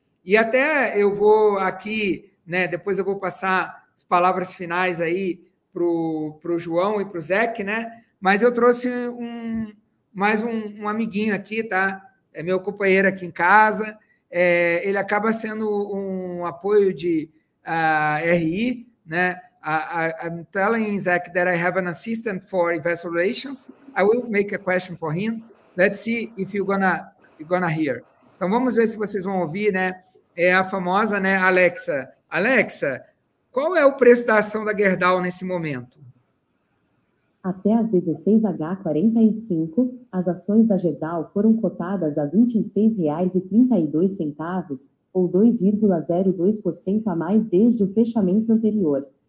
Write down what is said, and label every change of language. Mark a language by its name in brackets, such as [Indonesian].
[Portuguese] E até eu vou aqui, né, depois eu vou passar as palavras finais aí pro João e pro Zec, né? Mas eu trouxe mais um amiguinho aqui, tá? É meu companheiro aqui em casa. Ele acaba sendo um apoio de RI, né? [English] I'm telling Zach that I have an assistant for investor relations. I will make a question for him. Let's see if you're gonna hear. [Portuguese] Então, vamos ver se vocês vão ouvir, né? É a famosa, né, Alexa. Alexa, qual é o preço da ação da Gerdau nesse momento? Até as 16h45, as ações da Gerdau foram cotadas a R$26,32, ou 2,02% a mais desde o fechamento anterior.